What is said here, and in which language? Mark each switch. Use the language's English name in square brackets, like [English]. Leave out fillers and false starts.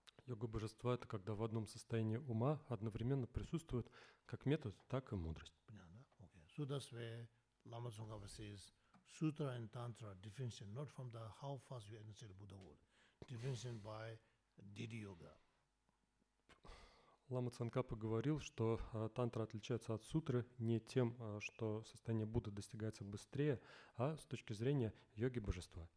[Russian] Йога божества – это когда в одном состоянии ума одновременно присутствует как метод, так и мудрость. Понятно? Okay. [English] So that's where Lama Tsongkhapa says, sutra and tantra differentiate not from the how fast you enter the Buddha world, differentiate by Diddhi yoga. [Russian] Лама Цанкапа говорил, что тантра отличается от сутры не тем, что состояние Будды достигается быстрее, а с точки зрения йоги божества.